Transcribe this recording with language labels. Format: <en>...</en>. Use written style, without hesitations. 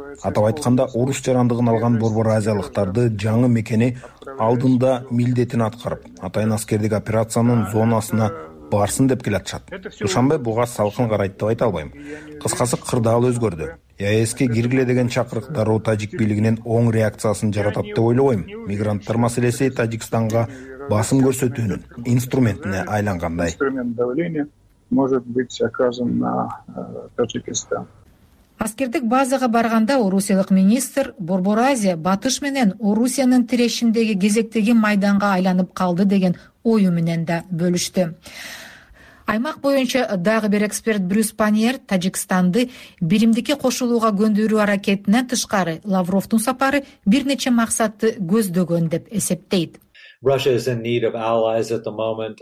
<ky>Атап айтканда, орус жарандыгын алган борбор-азиялыктарды жаңы мекени алдында милдетин аткарып, атайын аскердик операциянын зонасына барсын деп келатышат. Душанбе буга салкын карайт деп айта албайм. Кыскасы, кырдаал өзгөрдү. ЕСке киргиле деген чакырык дароо тажик бийлигинин оң реакциясын жаратат деп ойлобойм. Мигранттар маселеси Тажикстанга басым көрсөтүүнүн инструментине айлангандай.</ky> <ru>Инструмент давления может быть оказан на Таджикистан.</ru> <ky>Аскердик базага барганда орусиялык министр Борбор Азия батыш менен Орусиянын тирешиндеги кезектеги майданга айланып калды деген ою менен да бөлүштү. Аймак боюнча дагы бир эксперт Брюс Паньер Тажикстанды биримдикке кошулууга көндүрүү аракетинен тышкары Лавровдун сапары бир нече максатты көздөгөн деп эсептейт.</ky> <en>Russia is in need of allies at the moment.</en>